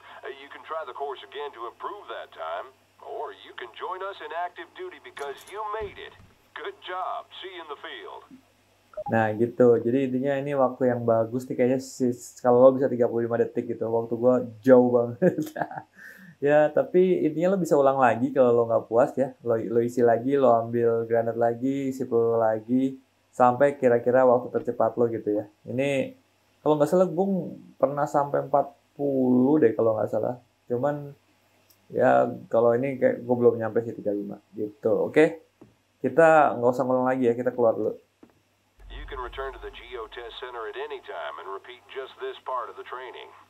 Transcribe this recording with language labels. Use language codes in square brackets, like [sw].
[en] You can try the course again to improve that time, or you can join us in active duty because you made it. Good job. See you in the field. [id] Nah gitu, jadi intinya ini waktu yang bagus nih kayaknya sih, kalau lo bisa 35 detik gitu, waktu gue jauh banget. Ya tapi intinya lo bisa ulang lagi kalau lo nggak puas ya, lo isi lagi, lo ambil granat lagi, isi peluru lagi, sampai kira-kira waktu tercepat lo gitu ya. Ini kalau nggak salah gue pernah sampai 40 deh kalau nggak salah, cuman ya kalau ini kayak gue belum nyampe sih 35 gitu. Oke, kita nggak usah ngulang lagi ya, kita keluar dulu. [en] Can return to the Geo Test Center at any time and repeat just this part of the training.